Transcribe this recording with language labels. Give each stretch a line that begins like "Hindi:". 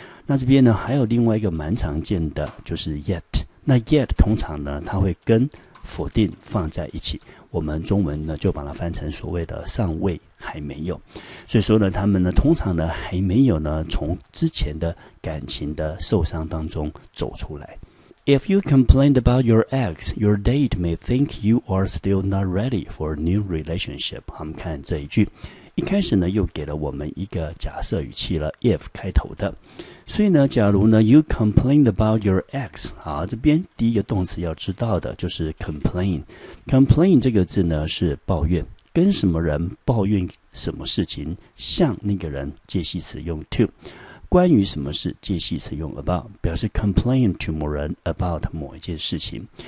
Chinese: 那这边呢还有另外一个蛮常见的，就是 yet。那 yet 通常呢它会跟否定放在一起，我们中文呢就把它翻成所谓的尚未、还没有。所以说呢，他们呢通常呢还没有呢从之前的感情的受伤当中走出来。
English: If you complained about your ex, your date may think you are still not ready for a new relationship.
Chinese: 我们看这一句，一开始呢又给了我们一个假设语气了， if 开头的。所以呢，假如呢
English: you complained about your ex,
Chinese: 好，这边第一个动词要知道的就是 complain。 complain 这个字呢是抱怨，跟什么人抱怨什么事情，向那个人，介系词用 to,关于什么事，介系词用 about, 表示 complain to 某人 about 某一件事情。